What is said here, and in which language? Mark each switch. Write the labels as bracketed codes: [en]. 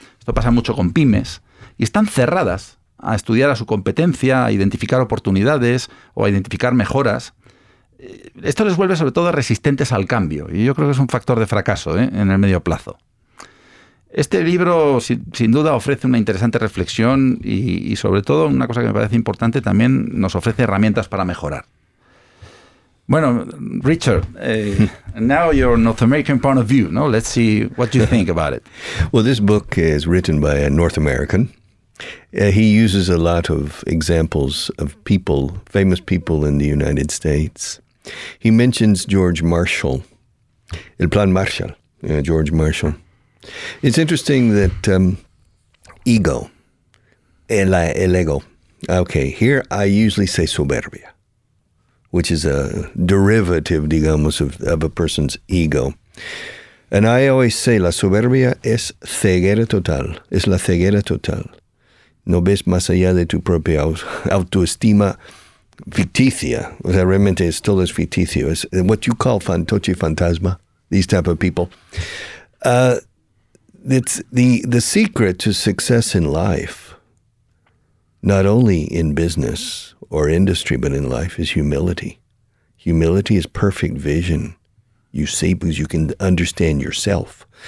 [es] Esto pasa mucho con pymes, y están cerradas a estudiar a su competencia, a identificar oportunidades o a identificar mejoras. Esto les vuelve sobre todo resistentes al cambio, y yo creo que es un factor de fracaso, ¿eh?, en el medio plazo. Este libro, sin duda, ofrece una interesante reflexión y sobre todo, una cosa que me parece importante, también nos ofrece herramientas para mejorar. [en] Bueno, Richard, now your North American point of view, no? Let's see what you think about it. Well, this book is written by a North American. He uses a lot of examples of people, famous people in the United States. He mentions George Marshall, El Plan Marshall, George Marshall. It's interesting that ego, [es] el ego. [en] Okay, here I usually say soberbia, which is a derivative, [es] digamos, [en] of a person's ego. And I always say [es] la soberbia es ceguera total, es la ceguera total. No ves más allá de tu propia autoestima ficticia. O sea, realmente es todo es ficticio. [en] Es what you call [es] fantoche fantasma, [en] these type of people. It's the secret to success in life, not only in business or industry, but in life, is humility. Humility is perfect vision. You see, because you can understand yourself.